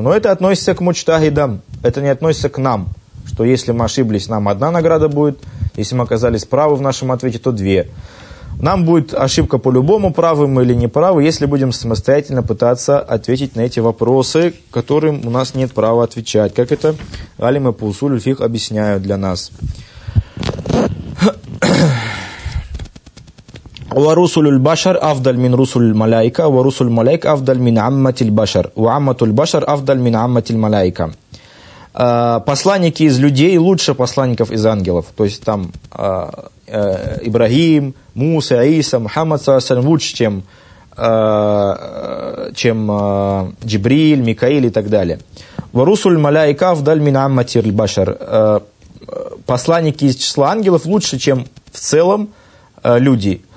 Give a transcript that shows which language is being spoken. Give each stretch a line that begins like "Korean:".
Russian: Но это относится к мучтахидам, это не относится к нам. Что если мы ошиблись, нам одна награда будет, если мы оказались правы в нашем ответе, то две. Нам будет ошибка по-любому, правы мы или неправы, если будем самостоятельно пытаться ответить на эти вопросы, которым у нас нет права отвечать. Как это алимы по усулю фикх объясняют для нас.
Arabic: ورسول البشر أفضل من رسول الملائكة ورسول الملائكة أفضل من عامة البشر وعامة البشر أفضل من عامة الملائكة.
Russian: Посланники из людей лучше посланников из ангелов, то есть там Ибрагим, Муса, Иса, Мухаммад саллаллаху алейхи ва саллям лучше, чем Джибриль, Микаил и так далее.
Arabic: ورسول الملائكة أفضل من عامة البشر.
Russian: Посланники из числа ангелов лучше, чем в целом люди.